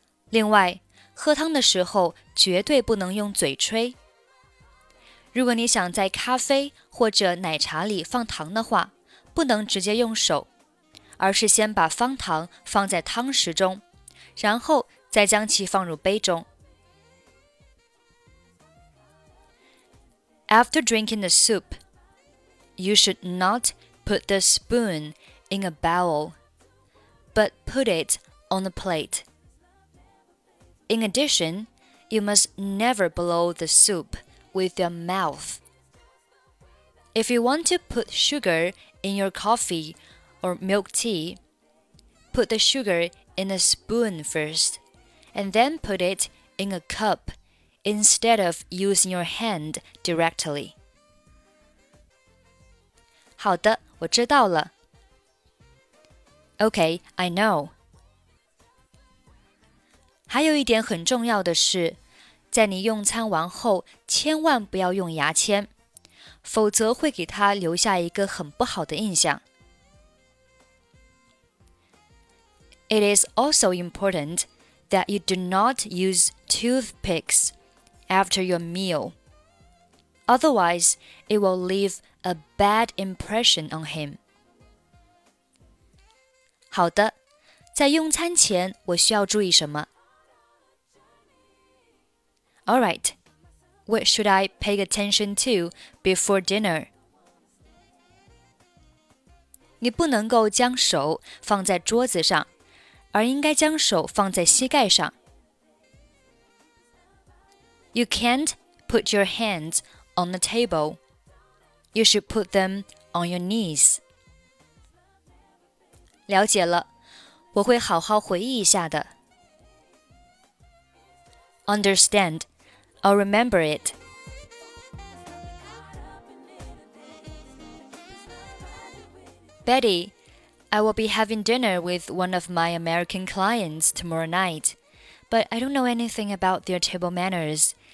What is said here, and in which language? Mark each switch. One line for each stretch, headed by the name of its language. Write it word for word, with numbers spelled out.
Chinese: 另外，喝汤的时候绝对不能用嘴吹。如果你想在咖啡或者奶茶里放糖的话，不能直接用手，而是先把方糖放在汤匙中，然后再将其放入杯中。
English: After drinking the soup, you should not put the spoon in a bowl, but put it on the plate. In addition, you must never blow the soup with your mouth. If you want to put sugar in your coffee or milk tea, put the sugar in a spoon first, and then put it in a cup instead of using your hand directly.
Chinese: 好的，我知道了。
English: Okay, I know.
Chinese: 还有一点很重要的是，在你用餐完后，千万不要用牙签，否则会给它留下一个很不好的印象。
English: It is also important that you do not use toothpicks after your meal. Otherwise, it will leave a bad impression on him.
Chinese: 好的，在用餐前我需要注意什么？
English: All right, what should I pay attention to before dinner?
Chinese: 你不能够将手放在桌子上，而应该将手放在膝盖上。
English: You can't put your hands on the table. You should put them on your knees.
Chinese: 了解了，我会好好回忆一下的。
English: Understand, I'll remember it. Betty, I will be having dinner with one of my American clients tomorrow night, but I don't know anything about their table manners.